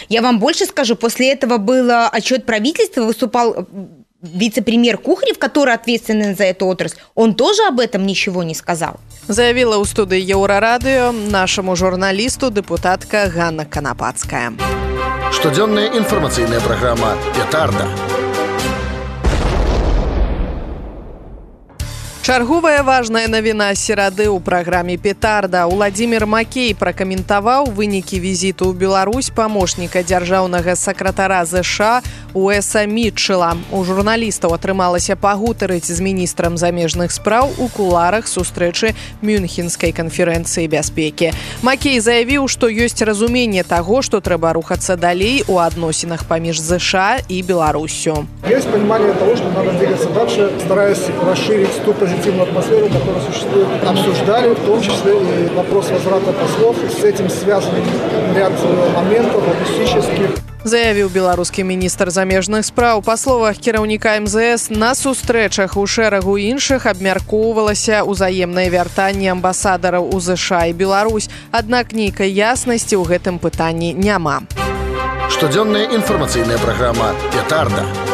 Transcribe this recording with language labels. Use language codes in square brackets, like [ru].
[ru] Не я вам больше скажу, после этого был отчет правительства, выступал вице-премьер Кухарев, который ответственен за эту отрасль, он тоже об этом ничего не сказал. [be] Заявила у студии Еврорадио нашему журналисту депутатка Ганна Канапацкая. Штодзённая информационная программа «Петарда». Чарговая важная навіна серады ў праграме «Петарда». Уладзімір Макей пракаментаваў вынікі візіту ў Беларусь памочніка дзяржаўнага сакратара ЗША Уэса Мітчэла. У журналістаў атрымалася пагутарыць з міністрам замежных спраў у куларах сустрэчы Мюнхенскай канферэнцыі бяспекі. Макей заявіў, што ёсць разуменне таго, што трэба рухацца далей у адносінах паміж ЗША і Беларусю. [ru] Ёсць понимание того, что надо двигаться дальше, стараясь расширить ту позитивную атмосферу, которая существует. Обсуждали, в том числе и вопрос возврата послов. С этим связан ряд моментов логистических. [be] заявіў беларускі міністр замежных спраў. Па словах кіраўніка МЗС, на сустрэчах у шэрагу іншых абмяркоўвалася ўзаемнае вяртанне амбасадараў у ЗША і Беларусь. Аднак нейкай яснасці ў гэтым пытанні няма. Штодзённая інфармацыйная праграма «Петарда».